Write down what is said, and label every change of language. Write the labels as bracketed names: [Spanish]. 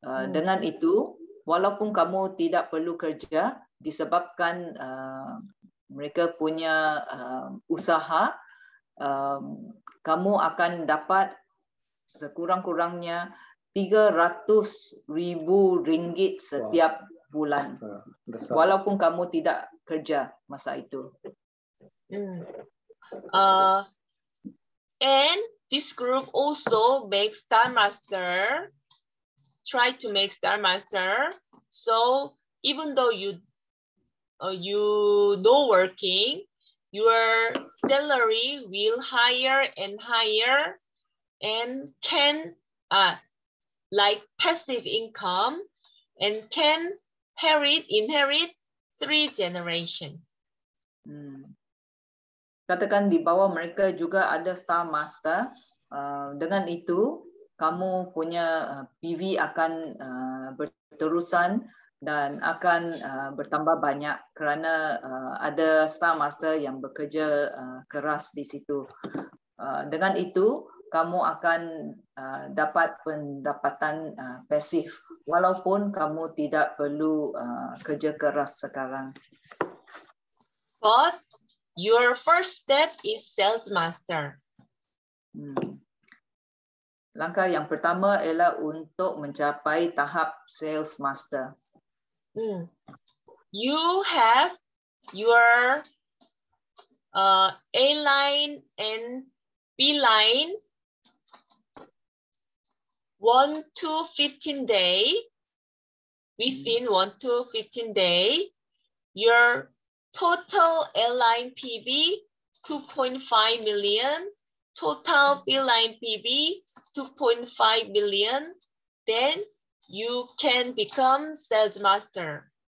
[Malay] Dengan itu, walaupun kamu tidak perlu kerja, disebabkan mereka punya usaha, kamu akan dapat sekurang-kurangnya 300,000 ringgit setiap bulan. Besar. Walaupun kamu tidak kerja masa itu. [English] And this group also makes Star Master, try to make Star Master. So even though you no working, your salary will higher and higher, and can like passive income, and can inherit three generation. [Malay] Katakan di bawah mereka juga ada Star Master. Dengan itu, kamu punya PV akan berterusan dan akan bertambah banyak kerana ada Star Master yang bekerja keras di situ. Dengan itu, kamu akan dapat pendapatan pasif walaupun kamu tidak perlu kerja keras sekarang. [English] But your first step is Sales Master. [Malay] Langkah yang pertama ialah untuk mencapai tahap Sales Master. [English] You have your A line and B line 1 to 15 day. Within 1 to 15 day, your total A line PB 2.5 million, total B line PB 2.5 million, then you can become sales master.